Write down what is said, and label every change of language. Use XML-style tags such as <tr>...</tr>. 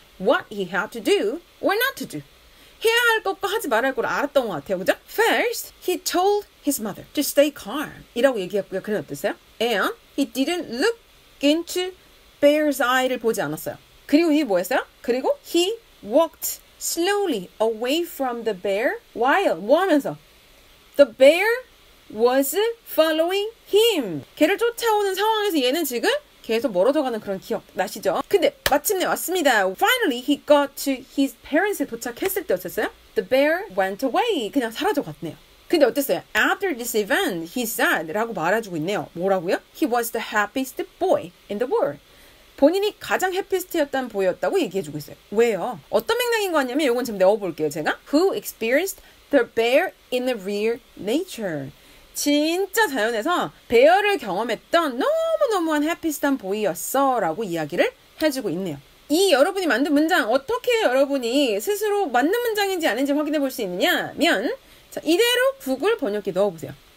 <en>What he had to do or not to do.</en> <ko>해야 할 것과 하지 말아야 할 걸 알았던 것 같아요. 그죠?</ko> <en>First, he told his mother to stay calm.</en> <ko>이라고 얘기했고요. 그는 어땠어요?</ko> <en>And he didn't look into bear's eye를</en> <ko>보지 않았어요. 그리고 이게 뭐였어요? 그리고</ko> <en>he walked slowly away from the bear while</en> <ko>뭐 하면서?</ko> <en>The bear was following him.</en> <ko>걔를 쫓아오는 상황에서 얘는 지금 계속 멀어져가는 그런 기억 나시죠? 근데 마침내 왔습니다.</ko> <en>Finally, he got to his parents</en> <ko>에 도착했을 때 어땠어요?</ko> <en>The bear went away.</en> <ko>그냥 사라져갔네요. 근데 어땠어요?</ko> <en>After this event, he said</en> <ko>라고 말해주고 있네요. 뭐라고요?</ko> <en>He was the happiest boy in the world.</en> <ko>본인이 가장 해피스트였던 보였다고 얘기해주고 있어요. 왜요? 어떤 맥락인 것 같냐면 이건 지금 넣어볼게요. 제가</ko> <en>Who experienced the bear in the real nature?</en> <ko>진짜 자연에서 베어를 경험했던 너무너무한 해피스트한 보이였어 라고 이야기를 해주고 있네요. 이 여러분이 만든 문장 어떻게 여러분이 스스로 맞는 문장인지 아닌지 확인해 볼 수 있느냐면 자 이대로 구글 번역기 넣어보세요.</ko>